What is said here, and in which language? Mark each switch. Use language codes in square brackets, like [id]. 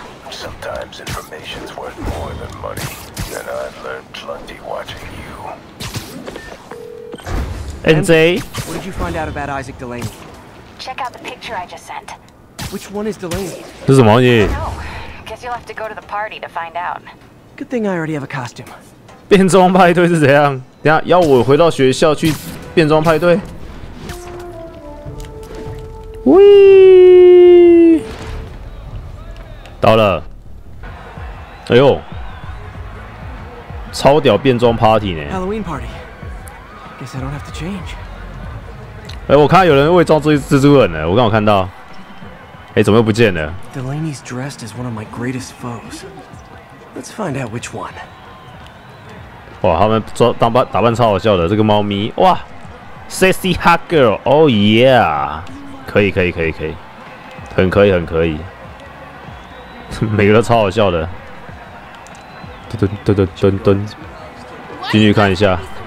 [en] Sometimes information's worth more than money, and I've learned plenty watching you. NZ, what did you find out about Isaac Delaney? Check out the picture I just sent. Which one is Delaney? [zh] 这是什么？ [en] I don't know. Guess you'll have to go to the party to find out. Good thing I already have a costume. [zh] 变装派对是怎样？等下要我回到学校去变装派对？喂，到了！哎呦，超屌变装 party 呢 [en] ！Halloween party. Guess I don't have to change. [zh] 哎，我看到有人伪装成蜘蛛人了，我刚好看到。哎，怎么又不见了 [en] ？Delaney's dressed as one of my greatest foes. Let's find out which one. [zh] 哇，他们装打扮超好笑的，这个猫咪哇 ， sexy hot girl，oh yeah，可以可以可以可以，很可以很可以，每个都超好笑的，噔噔噔噔噔噔，进去看一下，